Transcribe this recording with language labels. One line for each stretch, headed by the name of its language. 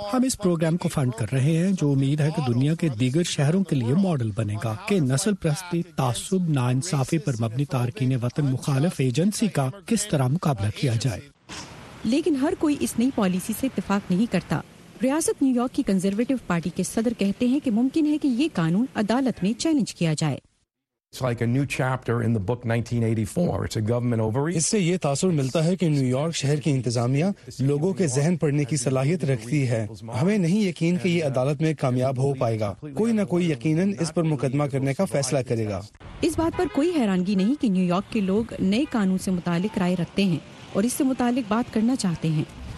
Urdu: ہم اس پروگرام کو فنڈ کر رہے ہیں جو امید ہے کہ دنیا کے دیگر شہروں کے لیے ماڈل بنے گا کہ نسل پرستی, تعصب, ناانصافی پر مبنی تارکین وطن مخالف ایجنسی کا کس طرح مقابلہ کیا جائے. لیکن ہر کوئی اس نئی پالیسی سے اتفاق نہیں کرتا. ریاست نیو یارک کی کنزرویٹو پارٹی کے صدر کہتے ہیں کہ ممکن ہے کہ یہ قانون عدالت میں چیلنج کیا جائے.
English: It's like a new chapter in the book 1984. It's a government overreach.
Urdu: اس سے یہ تاثر ملتا ہے کہ نیو یارک شہر کی انتظامیہ لوگوں کے ذہن پڑھنے کی صلاحیت رکھتی ہے. ہمیں نہیں یقین کہ یہ عدالت میں کامیاب ہو پائے گا. کوئی نہ کوئی یقیناً اس پر مقدمہ کرنے کا فیصلہ کرے گا. اس بات پر کوئی حیرانگی نہیں کہ نیو یارک کے لوگ نئے قانون سے متعلق رائے رکھتے ہیں اور اس سے متعلق بات کرنا چاہتے ہیں.